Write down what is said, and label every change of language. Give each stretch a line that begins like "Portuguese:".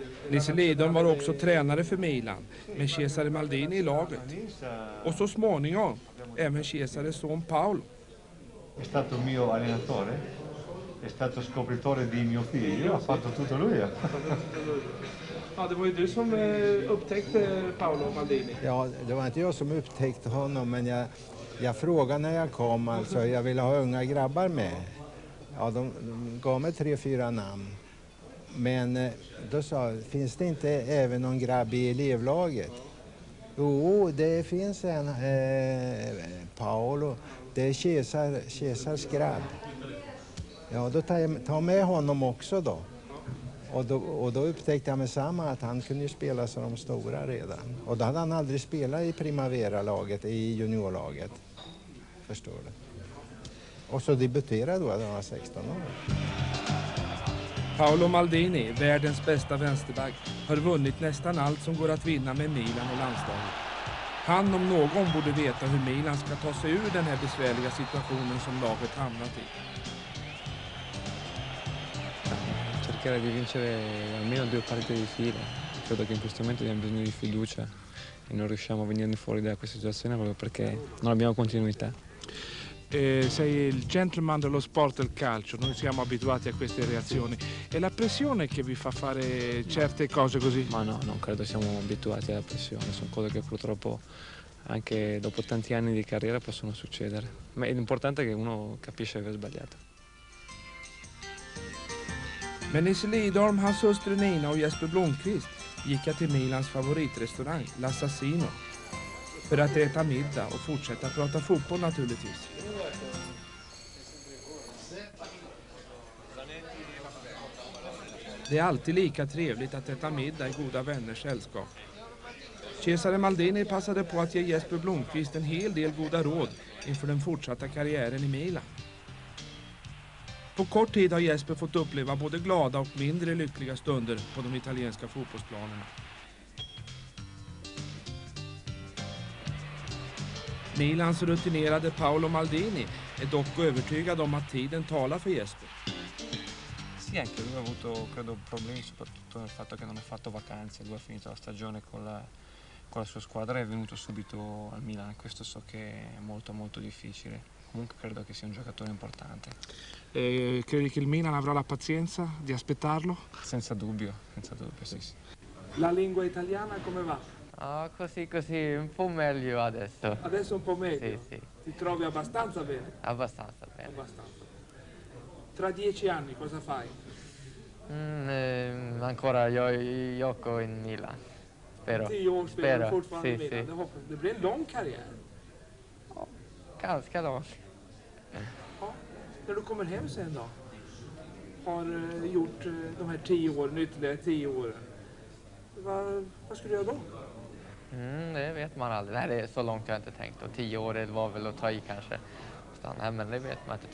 Swedish: Nisse Lidon var också tränare för Milan med Cesare Maldini i laget och så småningom även Cesares son Paolo.
Italian: È stato mio allenatore. È stato scopritore di mio figlio, ha fatto tutto lui.
Swedish: Ja, det var ju du som upptäckte Paolo Maldini. Ja, det var inte jag som upptäckte honom, men jag frågade när jag kom. Alltså, jag ville ha unga grabbar med. Ja, de gav mig 3-4 namn. Men då sa jag, finns det inte även någon grabb i elevlaget? Jo, det finns en, Paolo. Det är Cesars grabb. Ja, då tar jag med honom också då. Och då upptäckte jag med samma att han kunde ju spela som de stora redan. Och då hade han aldrig spelat i Primavera-laget, i juniorlaget. Förstår du? Och så debuterade då, han var 16 år. Paolo Maldini, världens bästa vänsterback, har vunnit nästan allt som går att vinna med Milan och landslaget. Han om någon borde veta hur Milan ska ta sig ur den här besvärliga situationen som laget hamnat i.
Italian: Cercare di vincere almeno due partite di fila. Credo che in questo momento abbiamo bisogno di fiducia e non riusciamo a venire fuori da questa situazione proprio perché non abbiamo continuità. Sei il gentleman dello sport del calcio, noi siamo abituati a queste reazioni. È la pressione che vi fa fare certe cose così? Ma no, non credo siamo abituati alla pressione. Sono cose che purtroppo anche dopo tanti anni di carriera possono succedere. Ma l'importante è che uno capisce che ha sbagliato.
Swedish: Men Nisse Lidholm, hans hustru Nina och Jesper Blomqvist gick jag till Milans favoritrestaurang, L'Assassino, för att äta middag och fortsätta prata fotboll naturligtvis. Det är alltid lika trevligt att äta middag i goda vänners sällskap. Cesare Maldini passade på att ge Jesper Blomqvist en hel del goda råd inför den fortsatta karriären i Milan. På kort tid har Jesper fått uppleva både glada och mindre lyckliga stunder på de italienska fotbollsplanerna. Milans rutinerade Paolo Maldini är dock övertygad om att tiden talar för Jesper.
Italian: Sì, anche lui ha avuto credo problemi soprattutto nel fatto che non ha fatto vacanze, lui ha finito la stagione con la sua squadra e è venuto subito al Milan. Questo so che è molto molto difficile. Comunque credo che sia un giocatore importante. Credi che il Milan avrà la pazienza di aspettarlo? Senza dubbio, sì, sì. La lingua italiana come va? Oh, così, così, un po' meglio adesso. Adesso un po' meglio? Sì, sì. Ti trovi abbastanza bene? Abbastanza bene. Abbastanza. Tra 10 anni cosa fai? Ancora io gioco in Milan. Spero. Sì, io spero
Swedish: fortfarande
Italian: sì, in Milan. Sì. Dovrei una lunga carriera.
Swedish: Ganska då. Ja, när du kommer hem sen då? Har gjort de här 10 åren, ytterligare 10 åren. Vad skulle du göra då? Det vet man aldrig. Nej, det är så långt jag inte tänkt. Och 10 år var väl att ta i kanske. Nej, men det vet man inte.